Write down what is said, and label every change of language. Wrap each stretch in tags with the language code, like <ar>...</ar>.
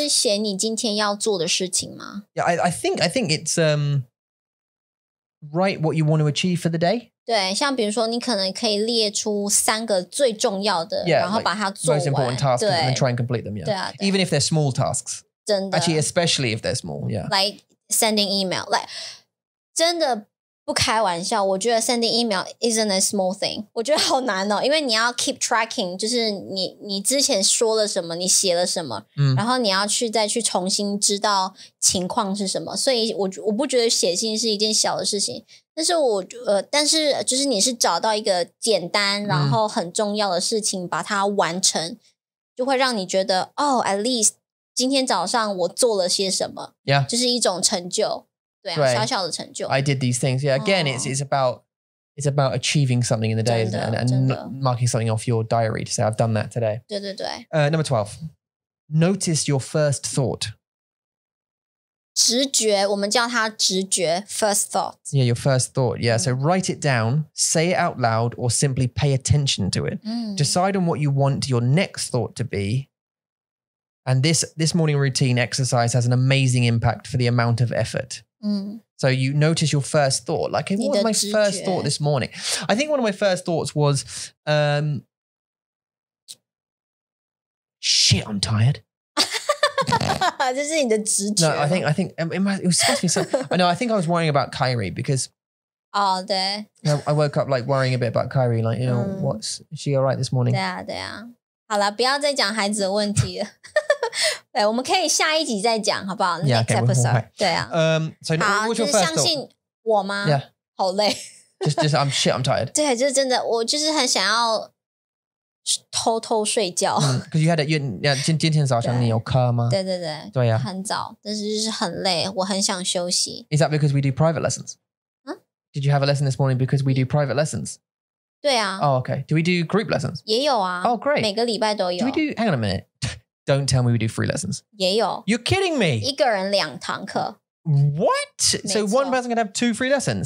<zh>是写你今天要做的事情吗</zh> <en>Yeah, I think it's, write what you want to achieve for the day.</en> <zh>对，像比如说你可能可以列出三个最重要的</zh> <en>yeah,</en> <zh>然后把它做完。</zh> <en>Most important tasks and then try and complete them, yeah.</en> <zh>对啊对</zh> <en>Even if they're small tasks.</en> <zh>真的。</zh> <en>Actually, especially if they're small, yeah. Like sending email. Like,</en> <zh>真的不开玩笑，我觉得</zh> <en>sending email isn't a small thing.</en> <zh>我觉得好难哦，因为你要</zh> <en>keep tracking，</en> <zh>就是你之前说了什么，你写了什么，然后你要去再去重新知道情况是什么。所以我不觉得写信是一件小的事情，但是我但是就是你是找到一个简单然后很重要的事情把它完成，就会让你觉得哦 ，</zh> <en>at least</en> <zh>今天早上我做了些什么，</zh> <en>yeah.</en> <zh>就是一种成就。</zh> <en>Right.</en> <zh>小小的成就</zh> <en>I did these things. Yeah, again,、oh. it's about achieving something in the day, isn't it? And marking something off your diary to say, I've done that today.</en> <zh>对对对</zh> <en>Number 12. Notice your first thought.</en> <zh>直觉我们叫它直觉</zh> <en>first thought. Yeah, your first thought. Yeah,、so write it down, say it out loud, or simply pay attention to it.、Decide on what you want your next thought to be. And this morning routine exercise has an amazing impact for the amount of effort.、So you notice your first thought. Like, hey, what was my first thought this morning? I think one of my first thoughts was, shit, I'm tired. This is your</en> <zh>直觉</zh> <en>No, I think it was supposed to be something. I know, I think I was worrying about Kyrie because... Oh, I woke up like worrying a bit about Kyrie. Like, you know, what's... Is she all right this morning?</en> <zh>对啊对啊好啦不要再讲孩子的问题了。对我们可以下一集再讲好不好</zh> <en>yeah, ?Next episode. Okay,</en> <zh>对啊。</zh> <en>So,</en> <zh>好就是相信我吗、</zh> <en>yeah.</en> <zh>好累。</zh> <en>Just I'm shit, I'm tired.</en> <zh>对就是真的我就是很想要偷偷睡觉。</zh> <en>Because you had a, yeah,</en> <zh>今天早上你有课吗对对对。对啊。很早但是就是很累我很想休息。</zh> <en>Is that because we do private lessons?、 Huh? Did you have a lesson this morning because we do private lessons?</en> <zh>对啊</zh> <en>Oh, okay. Do we do group lessons?</en> <zh>也有啊</zh> <en>Oh, great.</en> <zh>每个礼拜都有</zh> <en>Do we do, hang on a minute, Don't tell me we do free lessons.</en> <zh>也有.</zh> <en>You're kidding me.</en> <zh>一个人两堂课.</zh> <en>What?</en> <zh>没错.</zh> <en>So one person can have two free lessons?</en>